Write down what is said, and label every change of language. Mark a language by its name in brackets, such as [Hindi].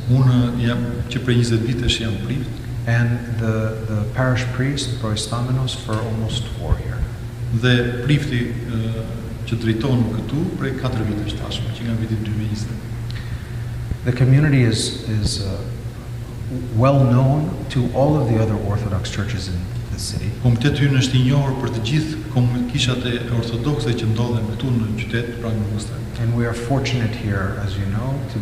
[Albanian] Unë jam që prej 20 vitesh jam prift. [English] And the parish priest, the proestaminos, for almost 4 years. [Albanian] Dhe prifti që drejton këtu prej 4 vitesh tashmë, që nga viti 2020. [English] The community is well known to all of the other Orthodox churches in the city. [Albanian] Komuniteti ynë është I njohur për të gjithë kishat e ortodokse që ndodhen këtu në qytet pra në Worcester. [English] And we are fortunate here, as you know,